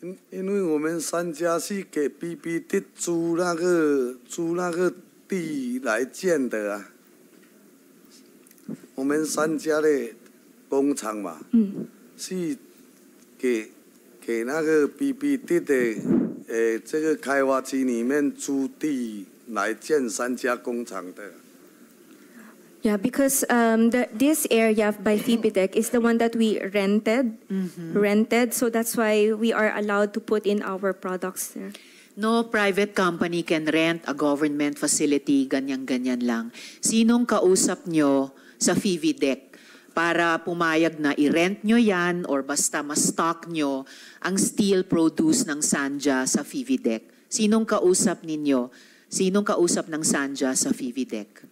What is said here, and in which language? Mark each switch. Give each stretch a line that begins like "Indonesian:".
Chinese: 因为我们三家是给 BBD 租那个地来建的啊，我们三家的工厂嘛，是给那个 BBD 的。
English: Yeah, because this area by Fividec is the one that we rented. Mm-hmm. Rented, so that's why we are allowed to put in our products there. No private company can rent a government facility,
Filipino: ganyan-ganyan lang. Sinong kausap nyo sa Fividec para pumayag na i-rent nyo yan or basta ma-stock nyo ang steel produce ng Sanja sa Fividec? Sinong kausap ninyo? Sinong kausap ng Sanja sa Fividec?